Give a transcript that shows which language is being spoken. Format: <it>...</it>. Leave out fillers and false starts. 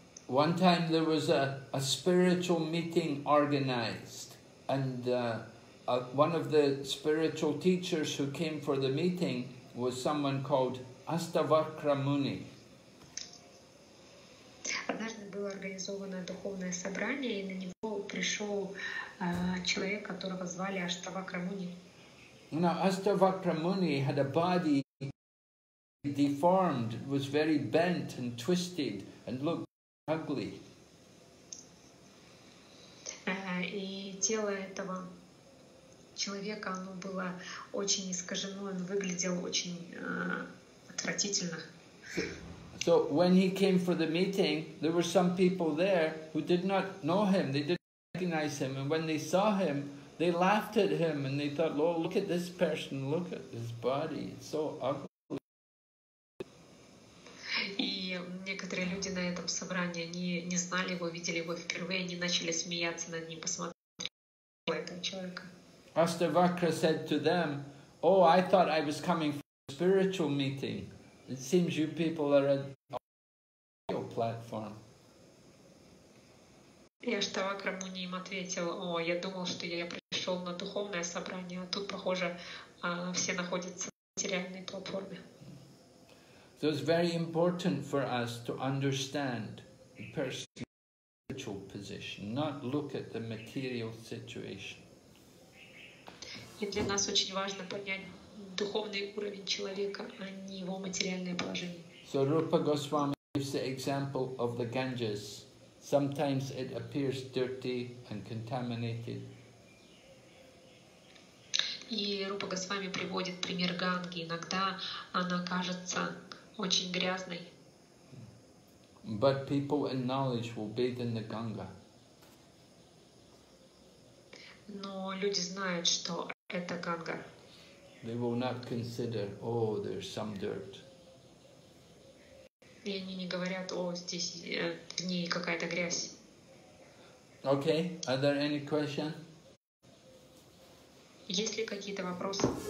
<en>One time there was a spiritual meeting organized, and one of the spiritual teachers who came for the meeting was someone called Astavakra Muni.</en> <ru>Однажды было организовано духовное собрание, и на него пришел человек, которого звали Astavakra Muni.</ru> <en>Now, Astavakra Muni had a body deformed, was very bent and twisted, and looked ugly.</en> <ru>И тело этого человека, оно было очень искажено, он выглядел очень отвратительно.</ru> <en>So when he came for the meeting, there were some people there who did not know him, they didn't recognize him, and when they saw him, they laughed at him and they thought, oh, look at this person, look at his body, it's so ugly.</en> <ru>И некоторые люди на этом собрании, они не знали его, видели его впервые, они начали смеяться над ним, посмотрели на этого человека.</ru> <en>Astavakra said to them, Oh, I thought I was coming for a spiritual meeting. It seems you people are a audio platform.</en> <ru>Я ждала Крамуни, им ответил: О, я думал, что я пришел на духовное собрание, а тут, похоже, все находятся на материальной платформе.</ru> <en>So it's very important for us to understand the person's spiritual position, not look at the material situation.</en> <ru>И для нас очень важно понять духовный уровень человека, а не его материальное положение.</ru> <en>So Rupa Goswami gives the example of the Ganges. Sometimes it appears dirty and contaminated.</en> <ru>И Рупа Госвами приводит пример Ганги. Иногда она кажется очень грязной.</ru> <en>But people and knowledge will bathe in the Ganga.</en> <ru>Но люди знают, что это Ганга.</ru> <en>They will not consider, oh, there's some dirt.</en> <ru>И они не говорят, о, здесь в ней какая-то грязь.</ru> <en>Okay, are there any questions?</en> <ru>Есть ли какие-то вопросы?</ru>